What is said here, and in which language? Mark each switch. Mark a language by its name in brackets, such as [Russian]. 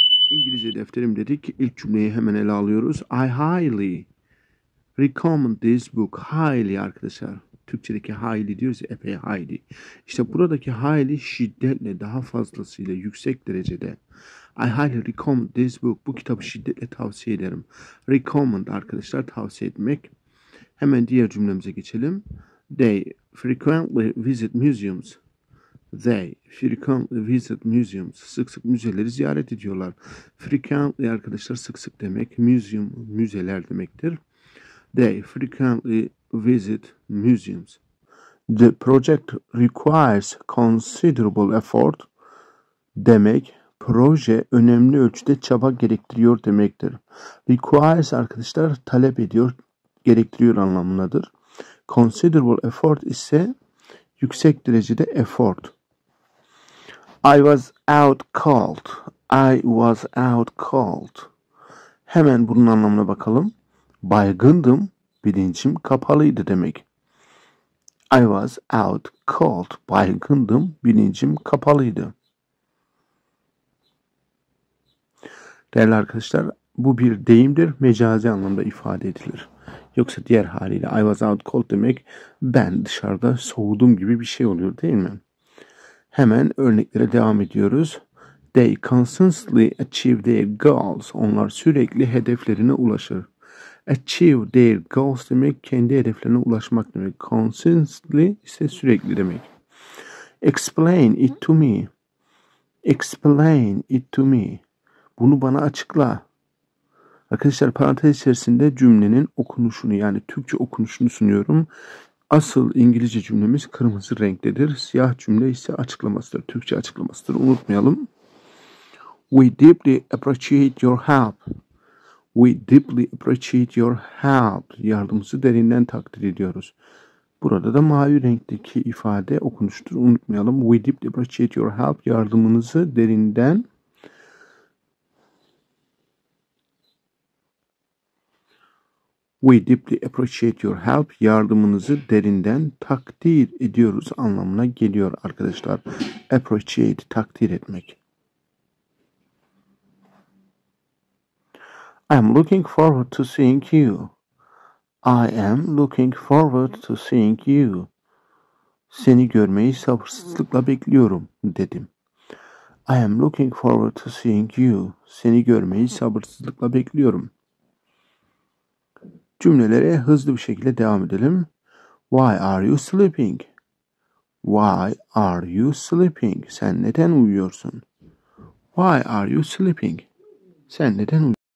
[Turkish] İngilizce defterim dedik. İlk cümleyi hemen ele alıyoruz. [English] I highly recommend this book. [Turkish] Highly arkadaşlar. Türkçedeki highly diyoruz ya, epey highly. İşte buradaki highly şiddetle, daha fazlasıyla, yüksek derecede. [English] I highly recommend this book. [Turkish] Bu kitabı şiddetle tavsiye ederim. Recommend arkadaşlar, tavsiye etmek. Hemen diğer cümlemize geçelim. [English] They frequently visit museums. They frequently visit museums. [Turkish] Sık sık müzeleri ziyaret ediyorlar. Frequently arkadaşlar sık sık demek. Museum müzeler demektir. [English] They frequently visit museums. The project requires considerable effort demek. [Turkish] Proje önemli ölçüde çaba gerektiriyor demektir. Requires arkadaşlar talep ediyor, gerektiriyor anlamındadır. Considerable effort ise yüksek derecede effort. [English] I was out cold. I was out cold. [Turkish] Hemen bunun anlamına bakalım. Baygındım, bilincim kapalıydı demek. [English] I was out cold. [Turkish] Baygındım, bilincim kapalıydı. Değerli arkadaşlar, bu bir deyimdir. Mecazi anlamda ifade edilir. Yoksa diğer haliyle [English] I was out cold [Turkish] demek, ben dışarıda soğudum gibi bir şey oluyor, değil mi? Hemen örneklere devam ediyoruz. [English] They constantly achieve their goals. [Turkish] Onlar sürekli hedeflerine ulaşır. [English] Achieve their goals [Turkish] demek kendi hedeflerine ulaşmak demek. Constantly ise sürekli demek. [English] Explain it to me. Explain it to me. [Turkish] Bunu bana açıkla. Arkadaşlar parantez içerisinde cümlenin okunuşunu, yani Türkçe okunuşunu sunuyorum. Asıl İngilizce cümlemiz kırmızı renktedir. Siyah cümle ise açıklamasıdır. Türkçe açıklamasıdır. Unutmayalım. [English] We deeply appreciate your help. We deeply appreciate your help. [Turkish] Yardımınızı derinden takdir ediyoruz. Burada da mavi renkteki ifade okunuştur. Unutmayalım. [English] We deeply appreciate your help. [Turkish] Yardımınızı derinden [English] We deeply appreciate your help. [Turkish] Yardımınızı derinden takdir ediyoruz anlamına geliyor arkadaşlar. Appreciate, takdir etmek. [English] Looking forward to seeing you. I am looking forward to seeing you. [Turkish] Seni görmeyi sabırsızlıkla bekliyorum dedim. [English] I am looking forward to seeing you. [Turkish] Seni görmeyi sabırsızlıkla bekliyorum. Cümlelere hızlı bir şekilde devam edelim. [English] Why are you sleeping? Why are you sleeping? [Turkish] Sen neden uyuyorsun? [English] Why are you sleeping? [Turkish] Sen neden uyuyorsun?